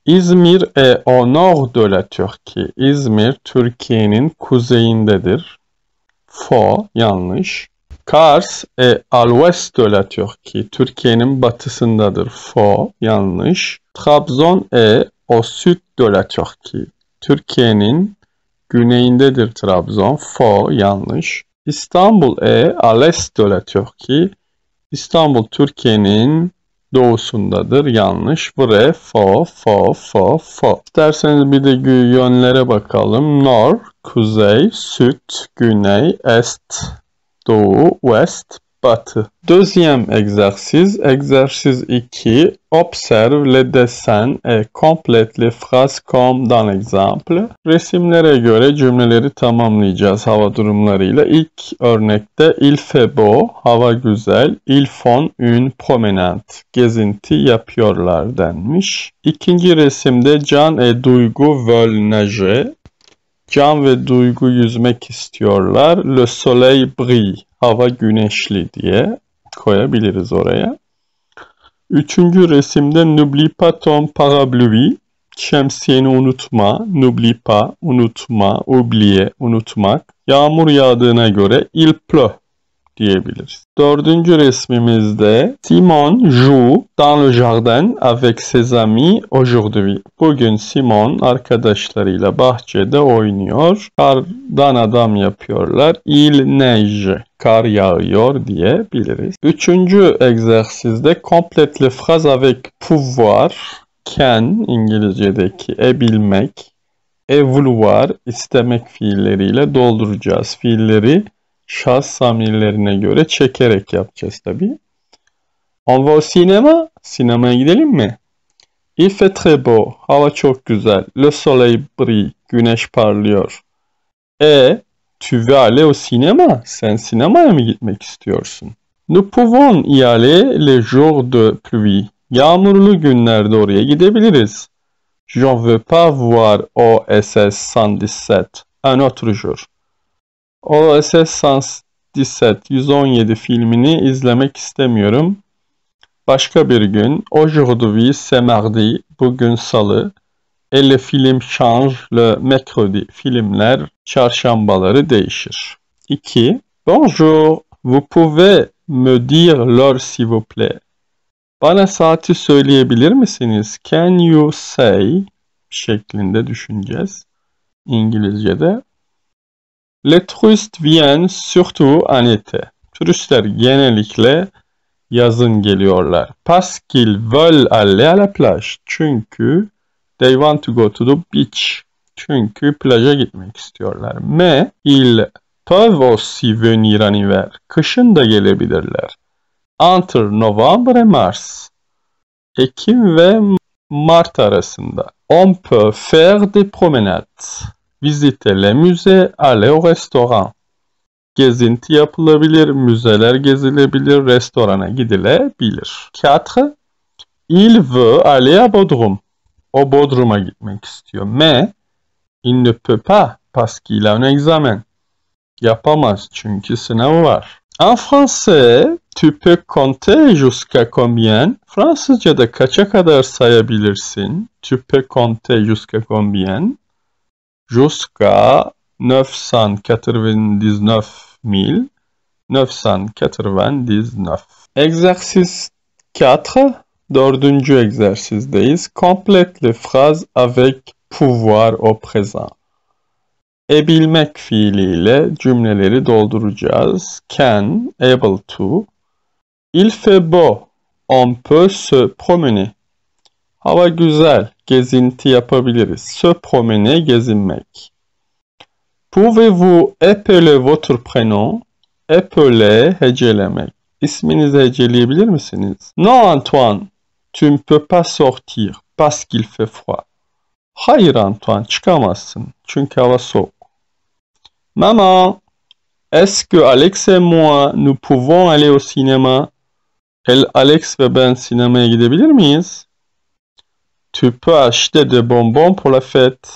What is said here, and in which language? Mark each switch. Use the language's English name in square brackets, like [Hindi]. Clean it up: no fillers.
[French] İzmir, au nord de la Turquie. [Turkish] İzmir, Türkiye'nin kuzeyindedir, fo, yanlış. [French] Kars, à l'ouest de la Turquie, [Turkish] Türkiye'nin batısındadır, [French] faux, yanlış. Trabzon, au sud de la Turquie, [Turkish] Türkiye'nin güneyindedir Trabzon, [French] faux, yanlış. İstanbul est à l'est de la Turquie. [Turkish] İstanbul Türkiye'nin doğusundadır. Yanlış. Vre, fo, fo, fo, fo. İsterseniz bir de yönlere bakalım. Nord, kuzey, süt, güney, est, doğu, west, batı. [French] Deuxième exercice. Exercice 2. Observe le dessin et complète les phrases comme dans l'exemple. [Turkish] Resimlere göre cümleleri tamamlayacağız hava durumlarıyla. İlk örnekte [French] il fait beau, [Turkish] hava güzel, [French] ils font une promenade, [Turkish] gezinti yapıyorlar denmiş. İkinci resimde [French] Can et Duygu veulent nager. [Turkish] Can ve Duygu yüzmek istiyorlar. [French] Le soleil brille, [Turkish] hava güneşli diye koyabiliriz oraya. Üçüncü resimde [French] N'oublie pas ton parapluie, [Turkish] şemsiyeni unutma, N'oublie pas, unutma, oublier, unutmak. Yağmur yağdığına göre [French] il pleut [Turkish] diyebiliriz. Dördüncü resmimizde [French] Simon joue dans le jardin avec ses amis aujourd'hui. [Turkish] Bugün Simon arkadaşlarıyla bahçede oynuyor. Kardan adam yapıyorlar. [French] Il neige. [Turkish] Kar yağıyor diyebiliriz. Üçüncü egzersizde [French] complete le phrase avec pouvoir, [Turkish] can, İngilizce'deki ebilmek, vouloir, istemek fiilleriyle dolduracağız. Fiilleri şahıs zamirlerine göre çekerek yapacağız tabii. [French] On va au cinéma? [Turkish] Sinemaya gidelim mi? [French] Il fait très beau. [Turkish] Hava çok güzel. [French] Le soleil brille. [Turkish] Güneş parlıyor. [French] Tu veux aller au cinéma? [Turkish] Sen sinemaya mı gitmek istiyorsun? [French] Nous pouvons y aller les jours de pluie. [Turkish] Yağmurlu günlerde oraya gidebiliriz. [French] Je ne veux pas voir OSS 117. Un autre jour. [Turkish] OSS 117 filmini izlemek istemiyorum. Başka bir gün. [French] Aujourd'hui, c'est mardi. [Turkish] Bugün salı. [French] Et le film change le mercredi. [Turkish] Filmler çarşambaları değişir. [French] 2. Bonjour. Vous pouvez me dire l'heure s'il vous plaît? [Turkish] Bana saati söyleyebilir misiniz? [English] Can you say? [Turkish] Şeklinde düşüneceğiz. İngilizce'de. [French] Les touristes viennent surtout en été. [Turkish] Turistler genellikle yazın geliyorlar. [French] Parce qu'ils veulent aller à la plage. [Turkish] Çünkü [English] they want to go to the beach. [Turkish] Çünkü plaja gitmek istiyorlar. [French] Mais ils peuvent aussi venir en hiver. [Turkish] Kışın da gelebilirler. [French] Entre novembre et mars. [Turkish] Ekim ve Mart arasında. [French] On peut faire des promenades. Visiter le musée, aller au restaurant. [Turkish] Gezinti yapılabilir, müzeler gezilebilir, restorana gidilebilir. 4. [French] Il veut aller à Bodrum. [Turkish] O Bodrum'a gitmek istiyor. [French] Mais, il ne peut pas parce qu'il a un examen. [Turkish] Yapamaz çünkü sınavı var. [French] En français, tu peux compter jusqu'à combien? [Turkish] Fransızca'da kaça kadar sayabilirsin? [French] Tu peux compter jusqu'à combien? Jusqu'à 999 mil. 999. Exercice 4. [Turkish] Dördüncü egzersizdeyiz. [French] Complete le phrase avec pouvoir au présent. [Turkish] Ebilmek fiiliyle cümleleri dolduracağız. [English] Can, able to. [French] Il fait beau. On peut se promener. [Turkish] Hava güzel. Gezinti yapabiliriz. Se promener, gezinmek. [French] Pouvez-vous épeler votre prénom? [Turkish] Épeler, hecelemek. İsminizi heceleyebilir misiniz? [French] Non, Antoine. Tu ne peux pas sortir parce qu'il fait froid. [Turkish] Hayır, Antoine. Çıkamazsın. Çünkü hava soğuk. [French] Maman, est-ce que Alex et moi nous pouvons aller au cinéma? [Turkish] Alex ve ben sinemaya gidebilir miyiz? [French] Tu peux acheter de bonbons pour la fête.